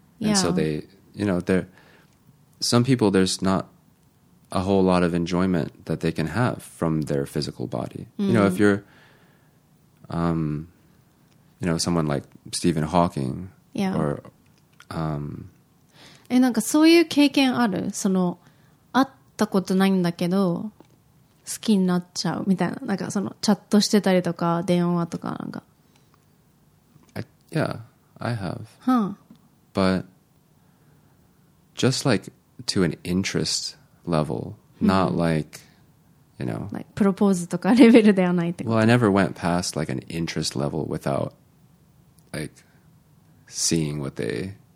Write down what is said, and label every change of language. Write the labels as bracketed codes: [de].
[en] And so they, you know, they're, some people, there's not a whole lot of enjoyment that they can have from their physical body. You know, if you're, you know, someone like Stephen Hawking or, [ja] え、なんかそういう経験ある？その、会ったことないんだけど、好きになっちゃうみたいな。なんかその、チャットしてたりとか、電話とかなんか。 [en] Yeah, I have. Huh. But, just like, to an interest level, not like, you know. Like, [ja] プロポーズとかレベルではないってこと。 [en] Well, I never went past, like, an interest level without, like, seeing what they...